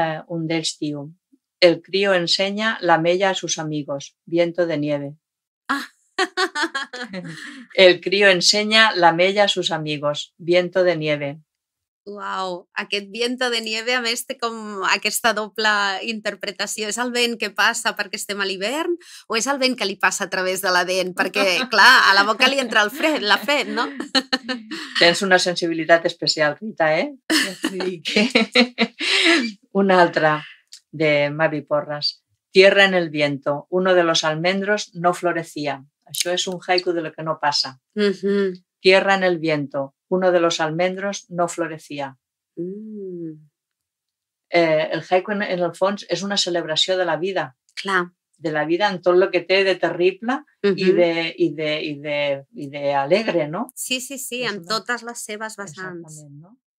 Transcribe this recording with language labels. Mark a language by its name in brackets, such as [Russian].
[Catalan] Un d'ells diu: [Spanish] "El crío enseña la mella a sus amigos, viento de nieve." Ah. "El crío enseña la mella a sus amigos, viento de nieve." [Catalan] Uau, aquest [Spanish] viento de nieve, [Catalan] a més, té com aquesta doble interpretació. És el vent que passa perquè estem a l'hivern o és el vent que li passa a través de la dent? Perquè, clar, a la boca li entra el fred, la fet, no? Tens una sensibilitat especial, Rita, eh? Sí, que... Una altra, de Mavi Porras. [Spanish] "Tierra en el viento, uno de los almendros no florecía." [Catalan] Això és un haiku de lo que no passa. [Spanish] "Tierra en el viento, uno de los almendros no florecía." [Catalan] El haiku, en el fons, és una celebració de la vida. Clar. De la vida en tot el que té de terrible i de alegre, no? Sí, sí, sí, en totes les seves vessants. Exactament, no?